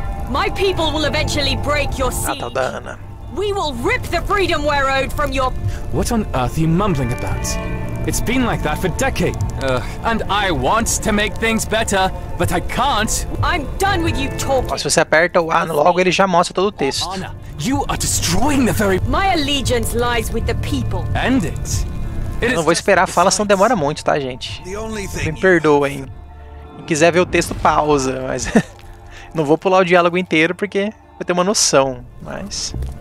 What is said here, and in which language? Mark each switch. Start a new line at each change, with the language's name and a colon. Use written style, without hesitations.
English: My people will eventually break your siege. We will rip the freedom we're owed from your. What on earth are you mumbling about? It's been like that for decades. Ugh. And I want to make things better, but I can't. I'm done with you talking.
Portuguese: Se você aperta o A logo, ele já mostra todo o texto.
English: You are destroying the very. My allegiance lies with the people. End it.
Portuguese: Eu não vou esperar a fala, senão demora muito, tá, gente? Me perdoem. Quem quiser ver o texto, pausa, mas. Não vou pular o diálogo inteiro porque vai ter uma noção, mas.